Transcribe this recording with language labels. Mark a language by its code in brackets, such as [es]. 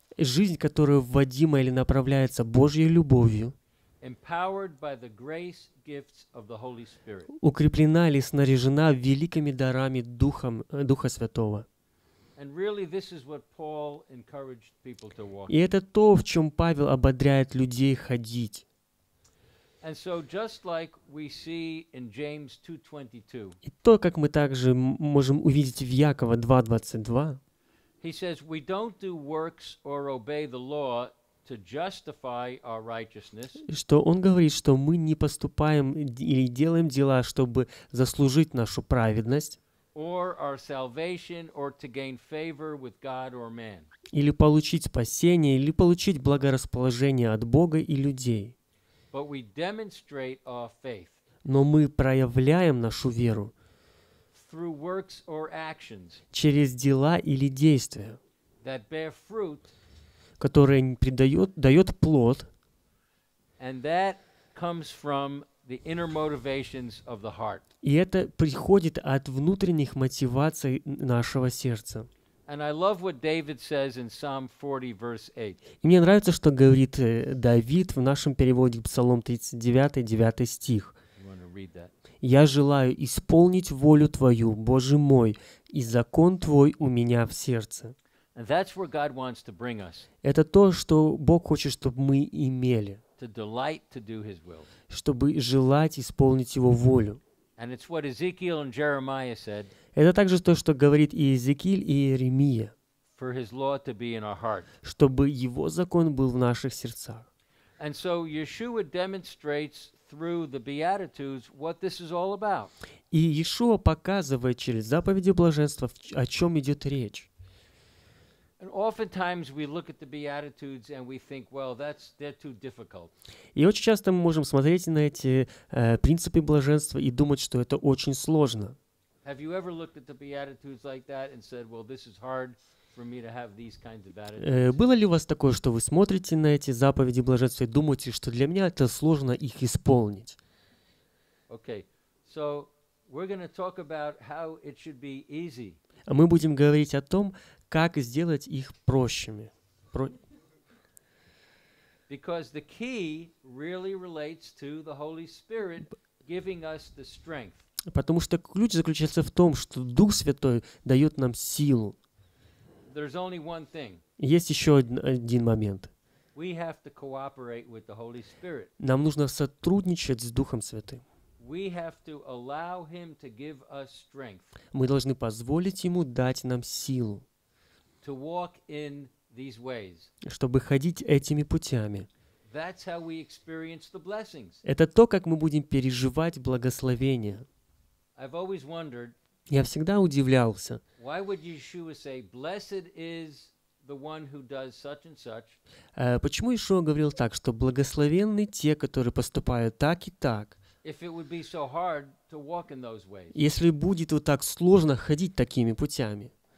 [ru] Жизнь, которая вводима или направляется Божьей любовью. [en] Empowered by the grace gifts of the Holy Spirit. [ru] Укреплена или снаряжена великими дарами Духом, Духа Святого. [en] And really this is what Paul encouraged people to walk. [ru] И это то, в чем Павел ободряет людей ходить. [en] And so just like we see in James 2:22. [ru] И то, как мы также можем увидеть в Якова 2:22. [en] He says we don't do works or obey the law to justify our righteousness. [ru] Что он говорит, что мы не поступаем или делаем дела, чтобы заслужить нашу праведность. [en] Or our salvation or to gain favor with God or man. [ru] Или получить спасение или получить благорасположение от Бога и людей. [en] But we demonstrate our faith. [ru] Но мы проявляем нашу веру [en] through works or actions, [ru] через дела или действия, [en] that bear fruit, [ru] которые придают, дают плод, [en] and that comes from the inner motivations of the heart. [ru] И это приходит от внутренних мотиваций нашего сердца. [en] And I love what David says in Psalm 40, verse 8. [ru] И мне нравится, что говорит Давид в нашем переводе Псалом 39, 9 стих. [en] You want to read that? [ru] Я желаю исполнить волю Твою, Боже мой, и закон Твой у меня в сердце. [en] And that's where God wants to bring us. [ru] Это то, что Бог хочет, чтобы мы имели. [en] To delight to do His will. [ru] Чтобы желать исполнить Его волю. [en] And it's what Ezekiel and Jeremiah said. [ru] Это также то, что говорит и Иезекииль, и Иеремия. [en] For his law to be in our heart. [ru] Чтобы его закон был в наших сердцах. [en] And so Yeshua demonstrates through the Beatitudes what this is all about. [ru] И Иешуа показывает через заповеди блаженства, о чем идет речь. И очень часто мы можем смотреть на эти принципы блаженства и думать, что это очень сложно. [en] Have you ever looked at the Beatitudes like that and said, "Well, this is hard for me to have these kinds of attitudes"? [ru] Было ли у вас такое, что вы смотрите на эти заповеди блаженства и думаете, что для меня это сложно их исполнить? [en] Okay, so we're going to talk about how it should be easy. [ru] Мы будем говорить о том, как сделать их прощими. [en] Because the key really relates to the Holy Spirit giving us the strength. [ru] Потому что ключ заключается в том, что Дух Святой дает нам силу. [en] there's only one thing. [ru] Есть еще один момент. [en] We have to cooperate with the Holy Spirit. [ru] Нам нужно сотрудничать с Духом Святым. [en] We have to allow him to give us strength. [ru] Мы должны позволить ему дать нам силу. [en] To walk in these ways. [ru] Чтобы ходить этими путями. [en] That's how we experience the blessings. [ru] Это то, как мы будем переживать благословения. [en] I've always wondered. [ru] Я всегда удивлялся. [en] Why would Yeshua say, "Blessed is"? The one who does such and such. [ru] Почему Иешуа говорил так, что благословенны те, которые поступают так и так? [en] If it would be so hard to walk in those ways. [ru] Если будет вот так сложно ходить такими путями.